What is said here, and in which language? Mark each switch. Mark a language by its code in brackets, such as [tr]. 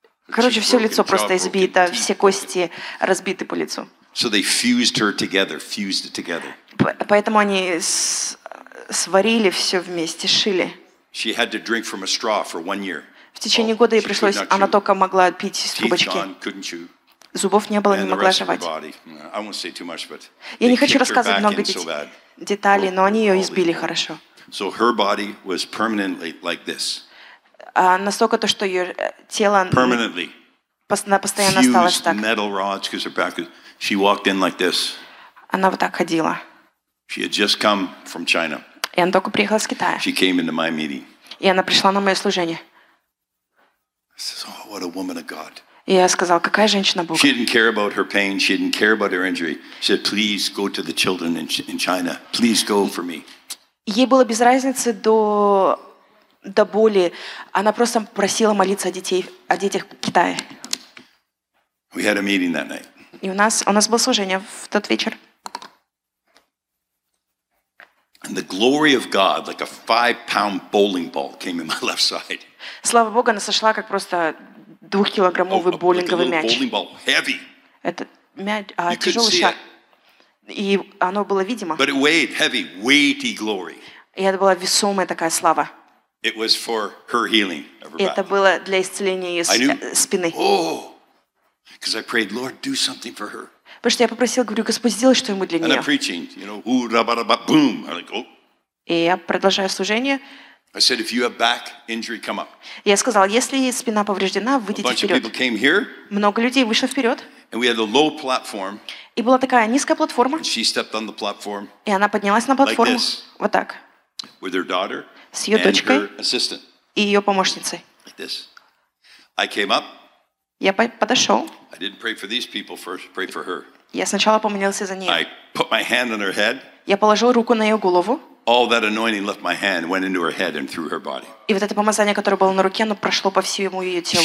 [ru] Короче, все лицо просто избито, все кости разбиты по лицу. [en] So they fused her together, fused it together. [ru] Поэтому они сварили все вместе, шили. [en] She had to drink from a straw for one year. [ru] В течение года ей пришлось, она только могла пить из трубочки. Зубов не было, не могла жевать. Я не хочу рассказывать много деталей, но они ее избили хорошо. [en] So her body was permanently like this. [ru] Настолько то, что ее тело [en] permanently [ru] постоянно осталось так. [en] Fused metal rods because her back. She walked in like this. [ru] Она вот так ходила. [en] She had just come from China. [ru] И она только приехала из Китая. [en] She came into my meeting. [ru] И она пришла на мое служение. [en] I said, "Oh, what a woman of God!" [ru] И я сказал, какая женщина Бога. [en] She didn't care about her pain. She didn't care about her injury. She said, "Please go to the children in China. Please go for me." [ru] Ей было без разницы до боли. Она просто просила молиться о детях Китая. [en] We had a meeting that night. [ru] И у нас было служение в тот вечер. [en] And the glory of God, like a 5-pound bowling ball, came in my left side. [ru] Слава Богу, она сошла как просто 2-килограммовый боулинговый мяч. [en] Bowling ball, heavy. [ru] Это мяч, тяжелый шар. И оно было видимо. [en] But it weighed heavy, weighty glory. [ru] И это была весомая такая слава. [en] It was for her healing of her back. [ru] Это было для исцеления ее спины. [en] Oh, because I prayed, Lord, do something for her. [ru] Потому что я попросил, говорю, Господи, сделай что-нибудь для нее. [en] And I'm preaching, you know, ooh, ra ba ra ba, boom. I'm like, oh. [ru] И я продолжаю служение. [en] I said, if you have back injury, come up. [ru] Я сказал, если спина повреждена, выйдите вперед. [en] A bunch of people came here. [ru] Много людей вышло вперед. [en] And we had a low platform. [ru] И была такая низкая платформа. [en] She stepped on the platform. [ru] И она поднялась на платформу. [en] Like this. [ru] Вот так. [en] With her daughter. [ru] С ее дочкой. [en] And her assistant. [ru] И ее помощницей. [en] Like this. I came up. [ru] Я подошел. [en] I didn't pray for these people first, pray for her. [ru] Я сначала помолился за нее. [en] I put my hand on her head. [ru] Я положил руку на ее голову. [en] All that anointing left my hand, went into her head and through her body. [ru] И вот это помазание, которое было на руке, оно прошло по всему ее телу.